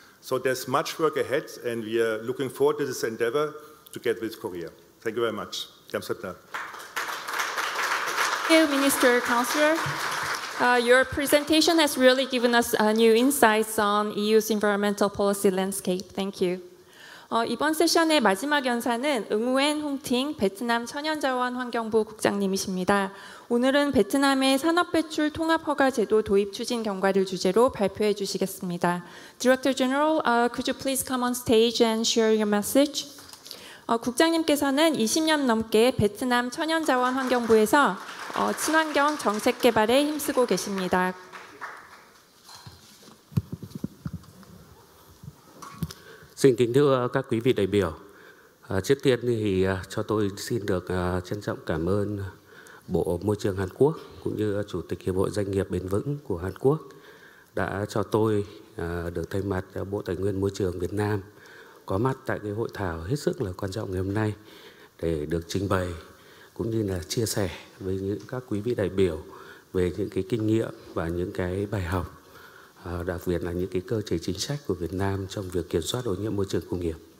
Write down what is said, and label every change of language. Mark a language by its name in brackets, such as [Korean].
[English] So there's much work ahead, and we are looking forward to this endeavor together with Korea. Thank you very much. Thank you, Minister, Councillor. Your presentation has really given us new insights on EU's environmental policy landscape. Thank you. [Korean] 이번 세션의 마지막 연사는 응우엔 홍팅 베트남 천연자원 환경부 국장님이십니다. 오늘은 베트남의 산업배출 통합허가 제도 도입 추진 경과를 주제로 발표해 주시겠습니다. [English] Director General, could you please come on stage and share your message? [Korean] 국장님께서는 20년 넘게 베트남 천연자원 환경부에서 친환경 정책 개발에 힘쓰고 계십니다. [Vietnamese] Xin kính thưa các quý vị đại biểu. Trước tiên thì cho tôi xin được trân trọng cảm ơn Bộ Môi trường Hàn Quốc cũng như Chủ tịch Hiệp hội Doanh nghiệp Bền vững của Hàn Quốc đã cho tôi được thay mặt Bộ Tài nguyên Môi trường Việt Nam có mặt tại cái hội thảo hết sức là quan trọng ngày hôm nay để được trình bày cũng như là chia sẻ với những các quý vị đại biểu về những cái kinh nghiệm và những cái bài học, đặc biệt là những cái cơ chế chính sách của Việt Nam trong việc kiểm soát ô nhiễm môi trường công nghiệp.